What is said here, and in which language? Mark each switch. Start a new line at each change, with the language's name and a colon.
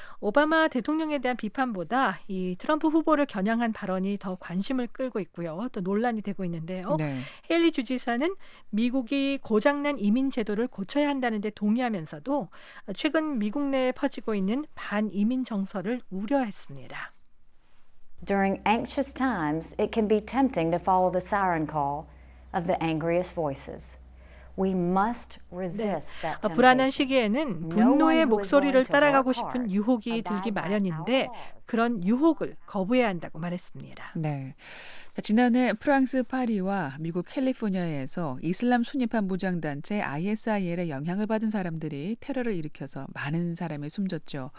Korean: 오바마 대통령에 대한 비판보다 이 트럼프 후보를 겨냥한 발언이 더 관심을 끌고 있고요. 또 논란이 되고 있는데요. 네. 헤일리 주지사는 미국이 고장난 이민 제도를 고쳐야 한다는 데 동의하면서도 최근 미국 내에 퍼지고 있는 반이민 정서를 우려했습니다.
English: During anxious times, it can be tempting to follow the siren call of the angriest voices. We must resist that temptation.
Korean: 불안한 시기에는 분노의 목소리를 따라가고 싶은 유혹이 들기 마련인데 그런 유혹을 거부해야 한다고 말했습니다. 네. 지난해 프랑스 파리와 미국 캘리포니아에서 이슬람 순위파 무장단체 ISIL의 영향을 받은 사람들이 테러를 일으켜서 많은 사람이 숨졌죠.